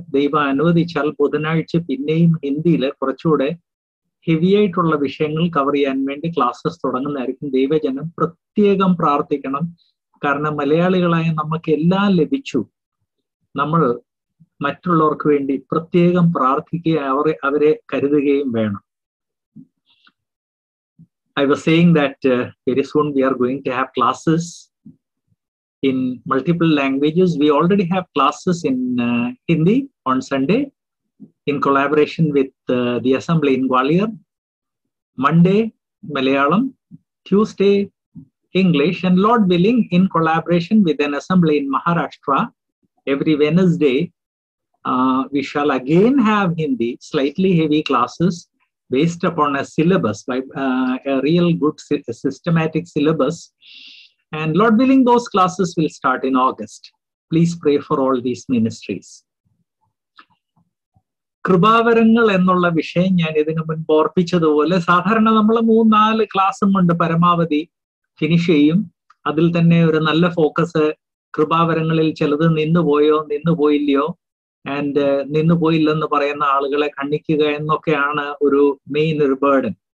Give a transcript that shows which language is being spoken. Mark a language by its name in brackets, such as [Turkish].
[Malayalam] ദൈവം അനുവദിച്ചാൽ ബുധനാഴ്ച പിന്നെയും ഹിന്ദിയിൽ കുറച്ചുകൂടെ ഹെവിയായിട്ടുള്ള വിഷയങ്ങൾ കവർ ചെയ്യാൻ വേണ്ടി ക്ലാസ്സസ് തുടങ്ങുന്നതായിരിക്കും. ദൈവജനം പ്രത്യേകം പ്രാർത്ഥിക്കണം. കാരണം മലയാളികളായ നമുക്ക് എല്ലാം ലഭിച്ചു. നമ്മൾ മറ്റുള്ളവർക്ക് വേണ്ടി പ്രത്യേകം പ്രാർത്ഥിക്കുകയും അവരെ കരുതുകയും വേണം. [English] I was saying that very soon we are going to have classes in multiple languages. We already have classes in Hindi on Sunday in collaboration with the assembly in Gwalior. Monday, Malayalam. Tuesday, English. And Lord willing, in collaboration with an assembly in Maharashtra, every Wednesday, we shall again have Hindi, slightly heavy classes. Based upon a syllabus, a real good systematic syllabus. And Lord willing, those classes will start in August. Please pray for all these ministries. [Malayalam] കൃപാവരങ്ങൾ എന്നുള്ള വിഷയം ഞാൻ ഇതിനു മുൻപ് ഓർപ്പിച്ചതുപോലെ സാധാരണ നമ്മൾ മൂന്ന് നാല് ക്ലാസ്സും കൊണ്ട് പരമാവധി ഫിനിഷ് ചെയ്യും. അതിൽ തന്നെ ഒരു നല്ല ഫോക്കസ് കൃപാവരങ്ങളിൽ ചിലത് നിന്നുപോയോ നിന്നുപോയില്ലയോ ആൻഡ് നിന്നുപോയില്ലെന്ന് പറയുന്ന ആളുകളെ കണ്ണിക്കുക എന്നൊക്കെയാണ് ഒരു മെയിൻ ഒരു ബേർഡൻ.